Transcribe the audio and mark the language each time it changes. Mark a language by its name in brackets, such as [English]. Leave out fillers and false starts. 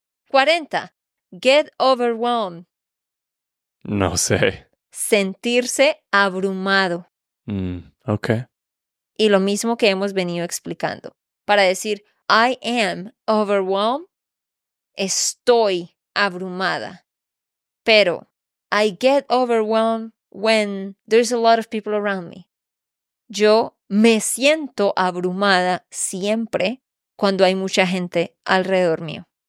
[English] 40. Get overwhelmed. [Spanish] No sé. Sentirse abrumado. Ok. Y lo mismo que hemos venido explicando. Para decir, [English] I am overwhelmed, [Spanish] estoy abrumada. [English] Pero, I get overwhelmed when there's a lot of people around me. [Spanish] Yo me siento abrumada siempre cuando hay mucha gente alrededor mío.